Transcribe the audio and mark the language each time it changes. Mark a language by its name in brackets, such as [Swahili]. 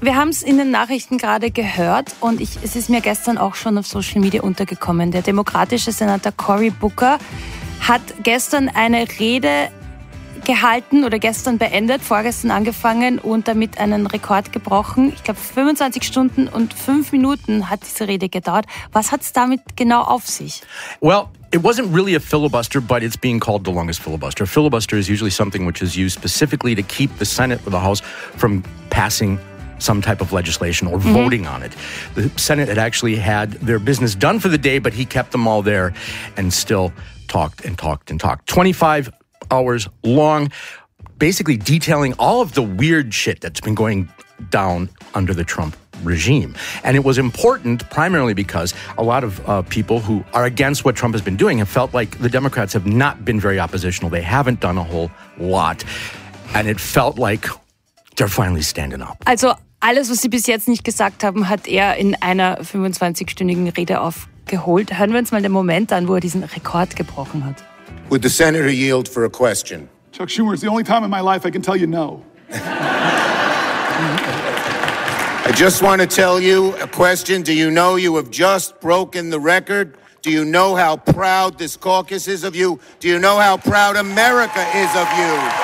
[German] Wir haben es in den Nachrichten gerade gehört und es ist mir gestern auch schon auf Social Media untergekommen. Der demokratische Senator Cory Booker hat gestern eine Rede gehalten oder gestern beendet, vorgestern angefangen und damit einen Rekord gebrochen. Ich glaube, 25 Stunden und 5 Minuten hat diese Rede gedauert. Was hat es damit genau auf sich? [English] Well, it wasn't really a filibuster, but it's being called the longest filibuster. A filibuster is usually something which is used specifically to keep the Senate or the House from passing some type of legislation or voting on it. The Senate had actually had their business done for the day, but he kept them all there and still talked and talked and talked. 25 hours long, basically detailing all of the weird shit that's been going down under the Trump regime. And it was important primarily because a lot of people who are against what Trump has been doing have felt like the Democrats have not been very oppositional. They haven't done a whole lot. And it felt like they're finally standing up. [German] Also, alles, was Sie bis jetzt nicht gesagt haben, hat in einer 25-stündigen Rede aufgeholt. Hören wir uns mal den Moment an, wo diesen Rekord gebrochen hat. [English] Would the senator yield for a question? Chuck Schumer, it's the only time in my life I can tell you no. I just want to tell you a question. Do you know you have just broken the record? Do you know how proud this caucus is of you? Do you know how proud America is of you?